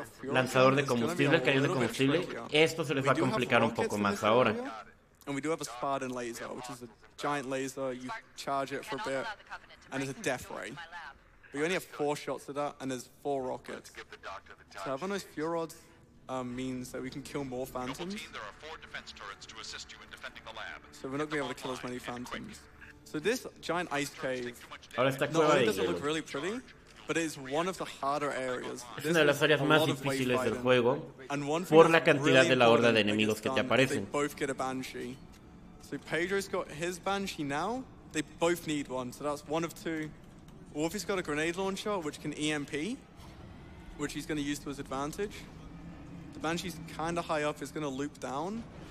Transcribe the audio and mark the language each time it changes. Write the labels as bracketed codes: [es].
[es] lanzador de combustible, el cañón de combustible. Esto se les va a complicar un poco más ahora. [en] And we do have a Spartan laser, which is a giant laser. You charge it for a bit, and it's a death ray. But you only have four shots of that, and there's four rockets. So having those Furods means that we can kill more phantoms. There are four defense turrets to assist you in defending the lab. So we're not going to be able to kill as many phantoms. So this giant ice cave, not only does it look really pretty, but it is one of the harder areas. [es] Es una de las áreas más difíciles del juego, por la cantidad de la horda de enemigos que te aparecen. [en] They both get a Banshee. So Pedro's got his Banshee now. They both need one, so that's one of two. Wolfie's got a grenade launcher, which can EMP, which he's going to use to his advantage. The Banshee's kind of high up, it's going to loop down.